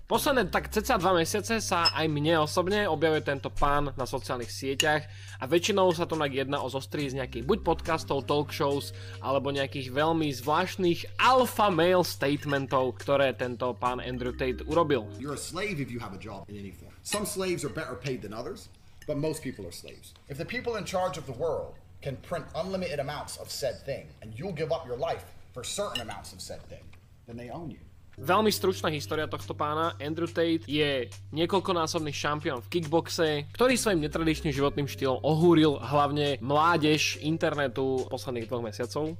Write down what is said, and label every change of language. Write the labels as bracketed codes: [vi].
[sk] Posledné tak cca 2 mesiace sa aj mne osobne objavuje tento pán na sociálnych sieťach a väčšinou sa to tak jedná o zostrihy z nejakých buď podcastov, talk shows alebo nejakých veľmi zvláštnych alpha male statementov, ktoré tento pán Andrew Tate urobil. [en] You're a slave if you have a job in any form. Some slaves are better paid than others, but most people are slaves. If the people in charge of the world can print unlimited amounts of said thing and you'll give up your life for certain amounts of said thing, then they own you. [sk] Veľmi stručná história tohto pána. Andrew Tate je niekoľkonásobný šampión v kickboxe, ktorý svojim netradičným životným štýlom ohúril hlavne mládež internetu posledných 2 mesiacov.